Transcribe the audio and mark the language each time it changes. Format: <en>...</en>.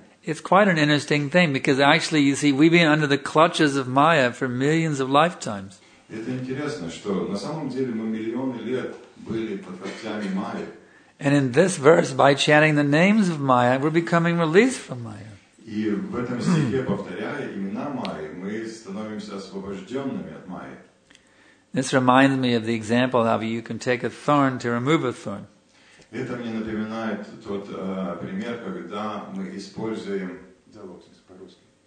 <en>It's quite an interesting thing because actually, you see, we've been under the clutches of Maya for millions of lifetimes.</en> <ru>Это интересно, что на самом деле мы миллионы лет были под когтями Майи.</ru> <en>And in this verse, by chanting the names of Maya, we're becoming released from Maya.</en> <ru>И в этом стихе, повторяя имена Майи, мы становимся освобожденными от Майи.</ru> <en>This reminds me of the example of you can take a thorn to remove a thorn.</en> <ru>Это мне напоминает тот пример, когда мы используем по-русски.</ru>